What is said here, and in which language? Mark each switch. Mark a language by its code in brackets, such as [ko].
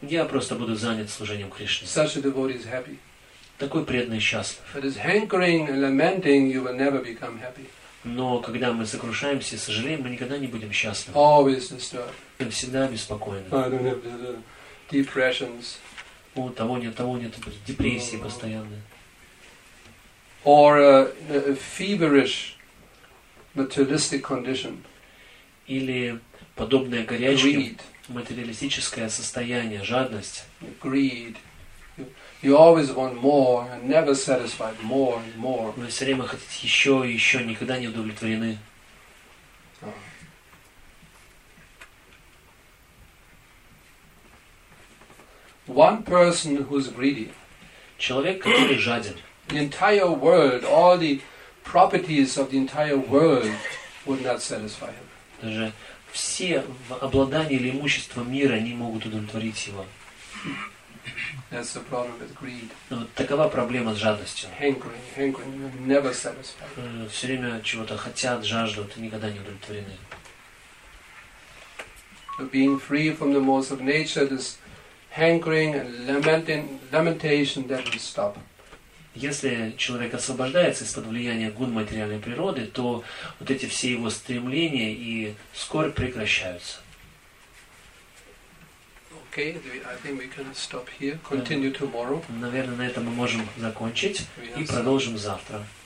[ru] Я просто буду занят служением Кришне. [en] Such a devotee is happy. [ru] Такой преданный счастлив. [en] But is hankering and lamenting, you will never become happy. [ru] Но когда мы сокрушаемся и сожалеем, мы никогда не будем счастливы. [en] Always disturbed. [ru] Мы всегда беспокоены. [en] I don't have the depressions. [ru] У того нет депрессии постоянные. [en] Or a feverish materialistic condition. [ru] Или подобное горячке, материалистическое состояние, жадность. [en] Greed. You always want more, never satisfied, more and more. [ru] Вы все время хотите еще и еще, никогда не удовлетворены. [en] One person who is greedy. [ru] Человек, который жаден. [en] The entire world, all the properties of the entire world would not satisfy him. [ru] Даже все обладания или имущество мира не могут удовлетворить его. [en] That's the problem with greed. [ru] Вот такова проблема с жадностью. [en] Hankering, never satisfied. [ru] Все время чего-то хотят, жаждут, и никогда не удовлетворены. [en] Being free from the modes of nature, this hankering and lamentation, that will stop. [ru] Если человек освобождается из-под влияния гун материальной природы, то вот эти все его стремления и скорбь прекращаются. [en] Okay, I think we can stop here. Continue tomorrow. [ru] Наверное, на этом мы можем закончить и продолжим завтра.